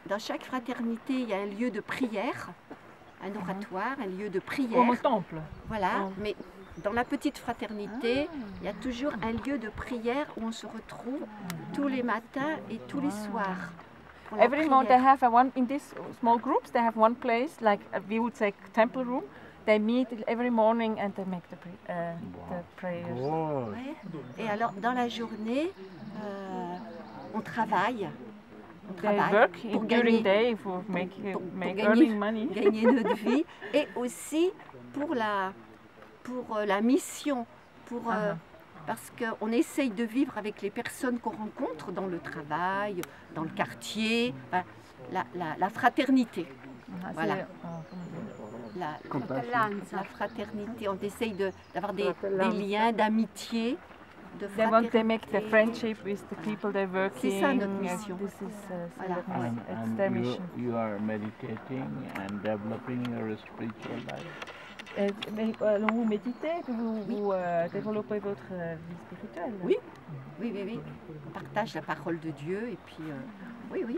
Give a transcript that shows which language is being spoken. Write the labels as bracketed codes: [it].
[fr] Dans chaque fraternité, il y a un lieu de prière, un oratoire, un lieu de prière. Comme au temple. Voilà, mais... Dans la petite fraternité, il y a toujours un lieu de prière où on se retrouve tous les matins et tous les soirs. [en] Every morning they have in these small groups they have one place like we would say temple room. They meet every morning and they make the prayers. [fr] Ouais. Et alors dans la journée, on travaille. [en] They work during day for earning money. [fr] Gagner notre vie et aussi pour la mission, parce qu'on essaye de vivre avec les personnes qu'on rencontre dans le travail, dans le quartier, la fraternité, voilà. La fraternité, on essaye d'avoir des liens d'amitié, de fraternité. [en] They want to make the friendship with the people they're working. [fr] C'est ça notre mission. [en] This is and their mission. You are meditating and developing your spiritual life. [fr] Alors vous méditez, vous développez votre vie spirituelle. Oui. Oui. On partage la parole de Dieu et puis oui.